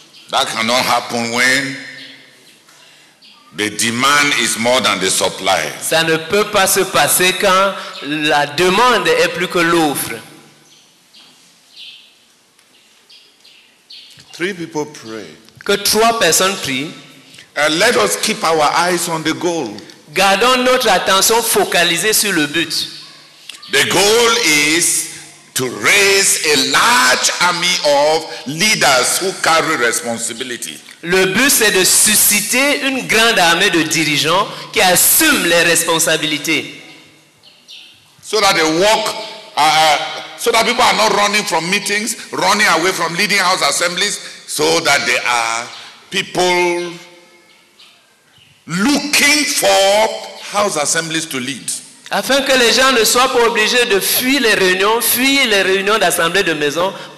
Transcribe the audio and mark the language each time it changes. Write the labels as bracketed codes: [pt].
[en] That cannot happen when the demand is more than the supply. [fr] Ça ne peut pas se passer quand la demande est plus que l'offre. [en] Three people pray. [fr] Que trois personnes prient. [en] And let us keep our eyes on the goal. [fr] Gardons notre attention focalisée sur le but. [en] The goal is to raise a large army of leaders who carry responsibility. [fr] Le but, c'est de susciter une grande armée de dirigeants qui assument les responsabilités. [en] So that they walk, so that people are not running from meetings, running away from leading house assemblies, so that there are people looking for house assemblies to lead. [fr] Afin que les gens ne soient pas obligés de fuir les réunions d'assemblées de maison.